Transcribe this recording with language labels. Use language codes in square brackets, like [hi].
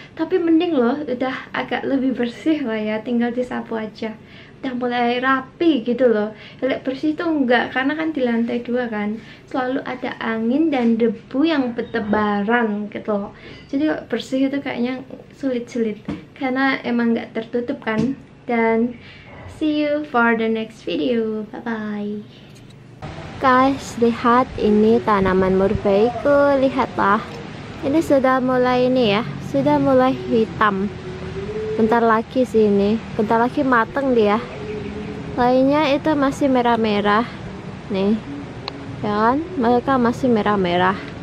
[id] Tapi mending loh, udah agak lebih bersih lah ya, tinggal disapu aja. Udah mulai rapi gitu loh. Lihat bersih tuh enggak, karena kan di lantai 2 kan selalu ada angin dan debu yang bertebaran gitu loh. Jadi bersih itu kayaknya sulit-sulit, karena emang enggak tertutup kan. [en] Dan see you for the next video, bye bye. [id] Guys, lihat ini tanaman murbeiku. Lihatlah, ini sudah mulai ini ya, sudah mulai hitam. Bentar lagi sih ini, bentar lagi mateng dia. Lainnya itu masih merah-merah. Nih, ya kan? Mereka masih merah-merah.